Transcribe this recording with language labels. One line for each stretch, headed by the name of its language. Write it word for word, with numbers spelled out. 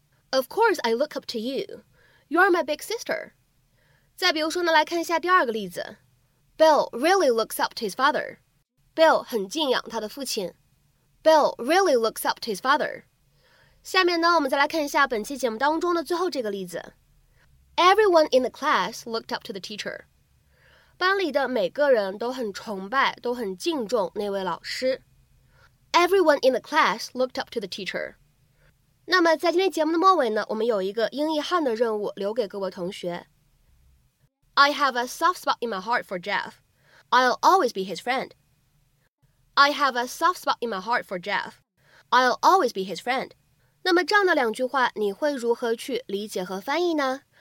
English: Of course I look up to you. You are my big sister.
Chinese: 再比如说呢，来看一下第二个例子。
English: Bill really looks up to his father. Bill
Chinese: 很敬仰他的父亲。
English: Bill really looks up to his father.
Chinese: 下面呢，我们再来看一下本期节目当中的最后这个例子。
English: Everyone in the class looked up to the teacher.
Chinese: 班里的每个人都很崇拜，都很敬重那位老师。
English: Everyone in the class looked up to the teacher.
Chinese: 那么在今天节目的末尾呢，我们有一个英译汉的任务留给各位同学。
English: I have a soft spot in my heart for Jeff. I'll always be his friend. I have a soft spot in my heart for Jeff. I'll always be his friend.
Chinese: 那么这样的两句话，你会如何去理解和翻译呢？